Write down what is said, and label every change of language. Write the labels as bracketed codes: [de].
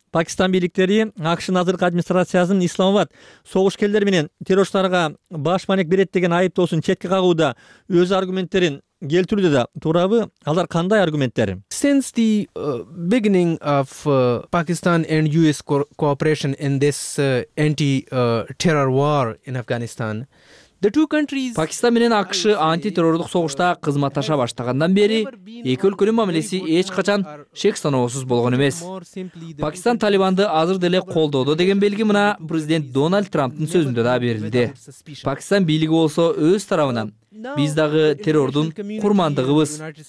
[ky] Пакистан бийликтери АКШнын азыркы администрациясынын Исламабад согушкерлер менен террорчуларга баш маанек берет деген айыптоосун четке кагууда өз аргументтерин келтирүүдө да, туурабы? Алар кандай аргументтер? [en] Since the beginning of Pakistan and US cooperation in this anti-terror war in Afghanistan, [ky] Пакистан менен АКШ антитеррордук согушта кызматташа баштагандан бери эки өлкөнүн мамилеси эч качан шек саноосуз болгон эмес. Пакистан Талибанды азыр деле колдоодо деген белги мына президент Дональд Трамптын сөзүндө да берилди. Пакистан бийлиги болсо өз тарабынан биз дагы террордун курмандыгыбыз.